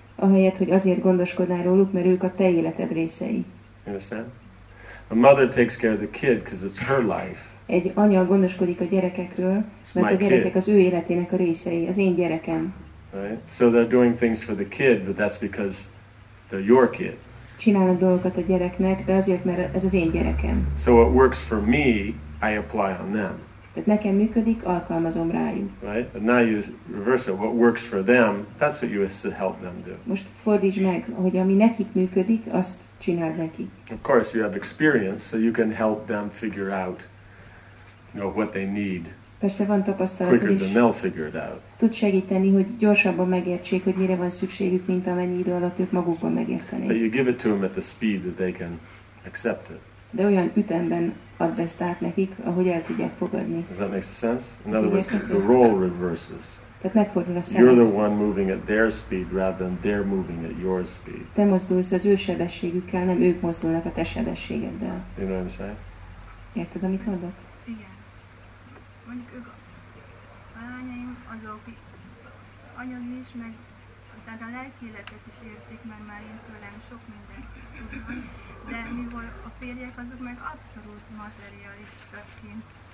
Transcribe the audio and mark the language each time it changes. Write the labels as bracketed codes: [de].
[hu] ahelyett, hogy azért gondoskodnál róluk, mert ők a te életed részei. [en] Understand? A mother takes care of the kid because it's her life. [hu] Egy anya gondoskodik a gyerekekről, mert a gyerekek az ő életének a részei, az én gyerekem. [en] Right? So they're doing things for the kid, but that's because they're your kid. [hu] Csinálnak dolgokat a gyereknek, de azért, mert ez az én gyerekem. [en] So what works for me, I apply on them. [hu] Tehát nekem működik, alkalmazom rájuk. [en] Right? But now you reverse it. What works for them, that's what you have to help them do. [hu] Most fordítsd meg, hogy ami nekik működik, azt csináld neki. [en] Of course, you have experience, so you can help them figure out, you know, what they need. [hu] Persze van tapasztalatod, [en] quicker than they'll figure it out. [hu] Tud segíteni, hogy gyorsabban megértsék, hogy mire van szükségük, mint amennyi idő alatt ők magukban megértenék. [en] But you give it to them at the speed that they can accept it. [hu] De olyan ütemben add ezt át nekik, ahogy el tudják fogadni. [en] Does that make sense? In other words, the role reverses. [hu] Tehát megfordul a szerep. [en] You're the one moving at their speed rather than they're moving at your speed. [hu] Te mozdulsz az ő sebességükkel, nem ők mozdulnak a te sebességeddel. [en] You know what I'm saying? [hu] Érted, amit mondok? Mondjuk ők a lányaim azok anyagi is, meg tehát a lelki életet is értik, mert már én tőlem sok mindent tudnak, de mivel a férjek azok meg abszolút materialistaként